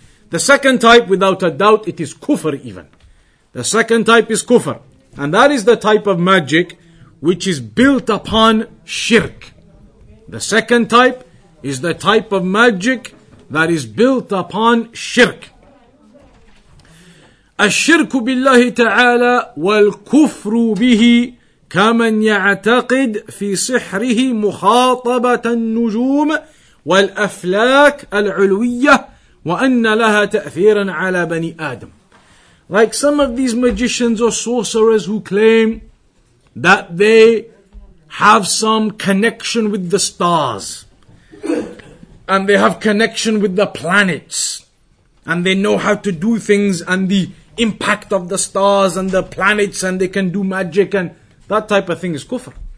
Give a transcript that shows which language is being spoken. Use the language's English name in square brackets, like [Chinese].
[English] The second type, without a doubt, it is kufr even. The second type is kufr. And that is the type of magic which is built upon shirk. The second type is the type of magic that is built upon shirk. [Arabic] الشرك بالله تعالى والكفر به كمن يعتقد في سحره مخاطبة النجوم والأفلاك العلوية وأن لها تأثيرا على بني آدم. [English] Like some of these magicians or sorcerers who claim that they have some connection with the stars and they have connection with the planets and they know how to do things and the impact of the stars and the planets and they can do magic and that type of thing is kufr.